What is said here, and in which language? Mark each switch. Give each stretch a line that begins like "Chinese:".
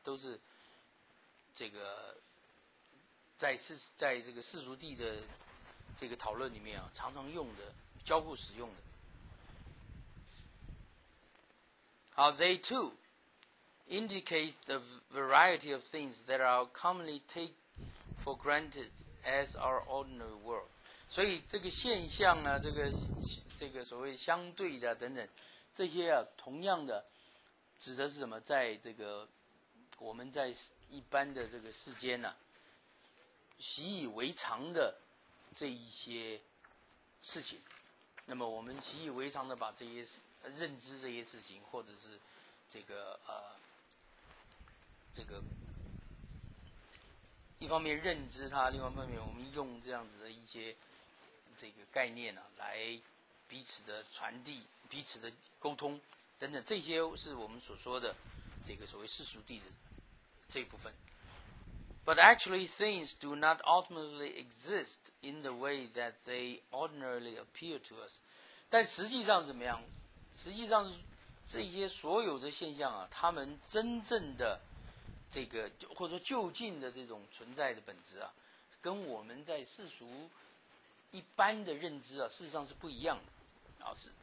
Chinese: 都是这个在这个世俗地的这个讨论里面、啊、常常用的交互使用的。
English: 好 they tooIndicate the variety of things that are commonly taken for granted as our ordinary world.
Chinese: 所以这个现象啊，这个所谓相对的等等，这些啊，同样的指的是什么？在这个我们在一般的这个世间呢、啊，习以为常的这一些事情，那么我们习以为常的把这些认知这些事情，或者是这个这个一方面认知它，另外一方面我们用这样子的一些这个概念、啊、来彼此的传递，彼此的沟通等等，这些是我们所说的这个所谓世俗地的这一部分。
English: But actually things do not ultimately exist in the way that they ordinarily appear to us.
Chinese: 但实际上怎么样，实际上是这些所有的现象啊，他们真正的这个或者说就近的这种存在的本质啊，跟我们在世俗一般的认知啊，事实上是不一样的啊。